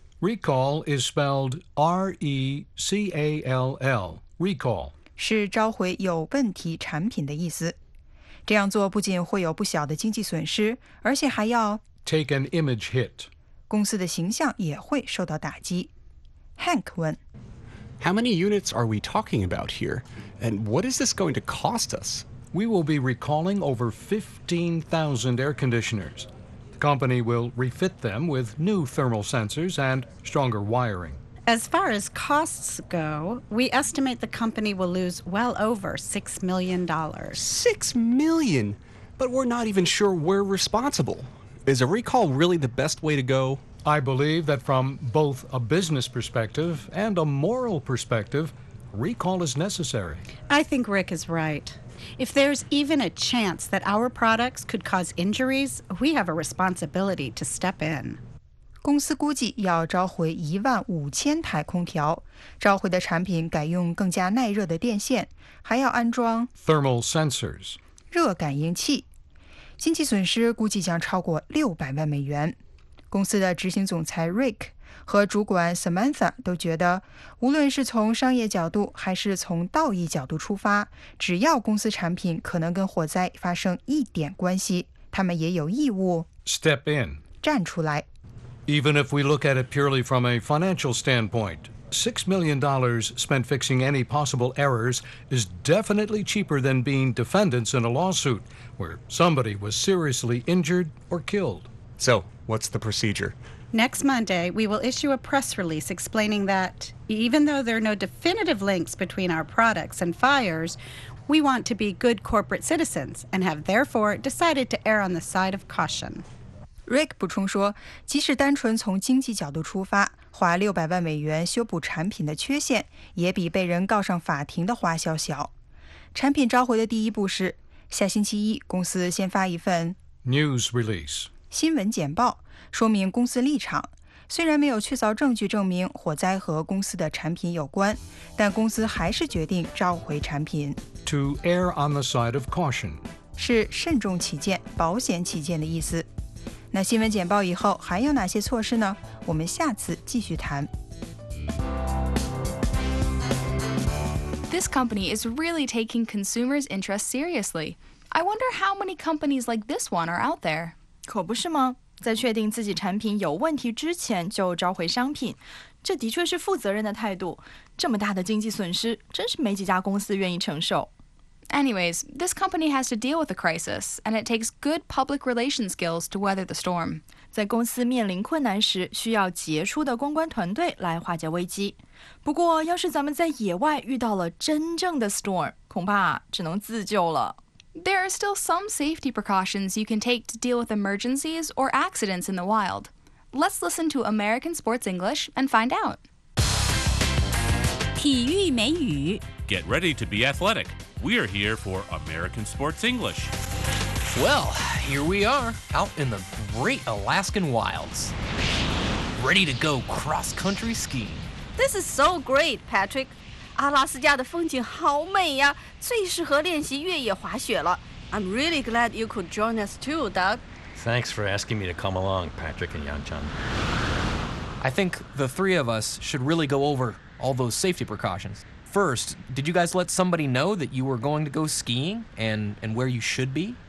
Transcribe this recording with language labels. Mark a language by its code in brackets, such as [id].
[en] recall is spelled R-E-C-A-L-L recall [zh] 是召回有问题产品的意思。这样做不仅会有不小的经济损失，而且还要 [en] take an image hit. [zh] 公司的形象也会受到打击。 Hank 问 [en] How many units are we talking about here? And what is this going to cost us? We will be recalling over 15,000 air conditioners. The company will refit them with new thermal sensors and stronger wiring. As far as costs go, we estimate the company will lose well over $6 million. $6 million? But we're not even sure we're responsible. Is a recall really the best way to go? I believe that from both a business perspective and a moral perspective, recall is necessary. I think Rick is right. If there's even a chance that our products could cause injuries, we have a responsibility to step in. [zh] 公司估计要召回15,000台空调，召回的产品改用更加耐热的电线，还要安装 [en] thermal sensors [zh] 热感应器。经济损失估计将超过$6,000,000。公司的执行总裁 Rick 和主管 Samantha 都觉得，无论是从商业角度还是从道义角度出发，只要公司产品可能跟火灾发生一点关系，他们也有义务 [en] step in [zh] 站出来。 [en] Even if we look at it purely from a financial standpoint, $6 million spent fixing any possible errors is definitely cheaper than being defendants in a lawsuit where somebody was seriously injured or killed. So, what's the procedure? Next Monday, we will issue a press release explaining that, even though there are no definitive links between our products and fires, we want to be good corporate citizens and have therefore decided to err on the side of caution. [zh] Rick 补充说，即使单纯从经济角度出发，花600万美元修补产品的缺陷，也比被人告上法庭的花销小。产品召回的第一步是，下星期一公司先发一份 [en] News Release [zh] 新闻简报，说明公司立场。虽然没有确凿证据证明火灾和公司的产品有关，但公司还是决定召回产品。 [en] To err on the side of caution [zh] 是慎重起见、保险起见的意思。那新闻简报以后还有哪些措施呢？我们下次继续谈。 [en] This company is really taking consumers' interests seriously. I wonder how many companies like this one are out there. [zh] 可不是吗？在确定自己产品有问题之前就召回商品，这的确是负责任的态度。这么大的经济损失，真是没几家公司愿意承受。 [en] Anyways, this company has to deal with the crisis, and it takes good public relations skills to weather the storm. [zh] 在公司面临困难时，需要杰出的公关团队来化解危机。不过，要是咱们在野外遇到了真正的 storm, 恐怕只能自救了。 [en] There are still some safety precautions you can take to deal with emergencies or accidents in the wild. Let's listen to American Sports English and find out. [zh] 体育美语 [en] Get ready to be athletic. We are here for American Sports English. Well, here we are, out in the great Alaskan wilds. Ready to go cross-country skiing. This is so great, Patrick. [zh] 阿拉斯加的风景好美呀，最适合练习越野滑雪了。 [en] I'm really glad you could join us too, Doug. Thanks for asking me to come along, Patrick and Yan-chan. I think the three of us should really go over all those safety precautions. First, did you guys let somebody know that you were going to go skiing and where you should be?